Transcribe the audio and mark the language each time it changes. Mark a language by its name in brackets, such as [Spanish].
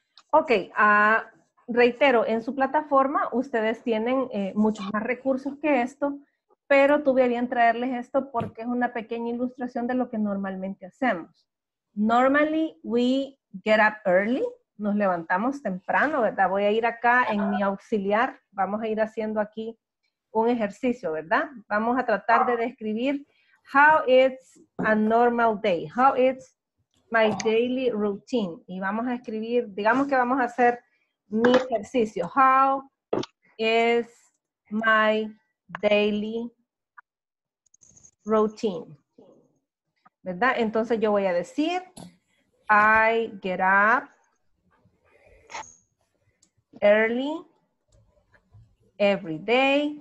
[Spanish] Ok, reitero, en su plataforma ustedes tienen muchos más recursos que esto, pero tuve a bien traerles esto porque es una pequeña ilustración de lo que normalmente hacemos. [English] Normally we get up early, [Spanish] nos levantamos temprano, ¿verdad? Voy a ir acá en mi auxiliar, vamos a ir haciendo aquí un ejercicio, ¿verdad? Vamos a tratar de describir [English] how it's a normal day, how it's my daily routine. [Spanish] Y vamos a escribir, digamos que vamos a hacer mi ejercicio. [English] How is my daily routine? [Spanish] ¿Verdad? Entonces yo voy a decir, [English] I get up early every day.